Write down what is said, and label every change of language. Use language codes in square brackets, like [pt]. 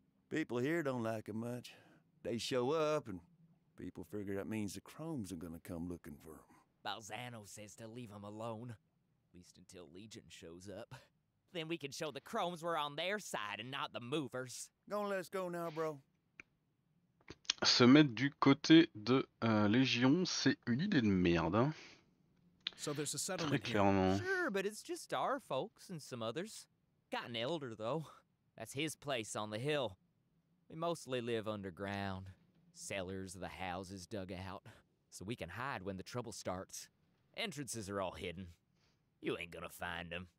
[en] People here don't like it much. They show up and people figure that means the Chromes are gonna come looking for them. Balzano says to leave them alone, at least until Legion shows up. Then we can show the Chromes we're on their side and not the movers. Gonna let us go now, bro. [fr] Se mettre du côté de Légion, c'est une idée de merde. [en] So there's a settlement. [fr] Très clairement. [en] Sure, but it's just our folks and some others. Got an elder though. That's his place on the hill. We mostly live underground. Cellars of the houses dug out, so we can hide when the trouble starts. Entrances are all hidden. You ain't gonna find them.